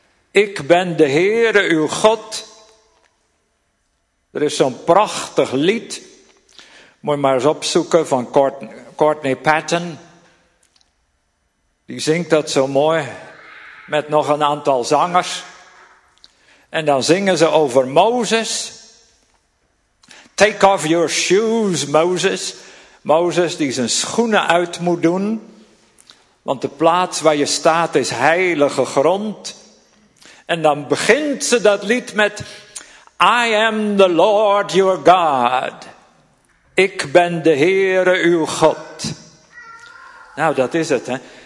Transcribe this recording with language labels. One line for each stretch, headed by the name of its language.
Dutch: Ik ben de Heere uw God. Er is zo'n prachtig lied. Moet je maar eens opzoeken van Courtney Patton. Die zingt dat zo mooi met nog een aantal zangers. En dan zingen ze over Mozes.
English: Take off your shoes, Moses.
Dutch: Mozes die zijn schoenen uit moet doen. Want de plaats waar je staat is heilige grond. En dan begint ze dat lied met
English: I am the Lord your God.
Dutch: Ik ben de Heere uw God. Nou, dat is het, hè.